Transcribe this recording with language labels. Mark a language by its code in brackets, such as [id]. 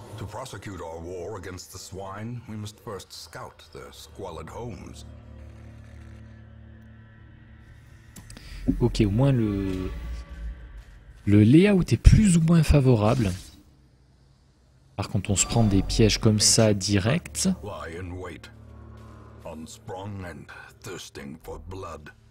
[en] Prosecute our war against the swine, we must first scout their squalid homes. [fr] Ok, au moins le layout est plus ou moins favorable. Par contre, on se prend des pièges comme ça direct. [en] Lie in wait, unsprung and thirsting for blood.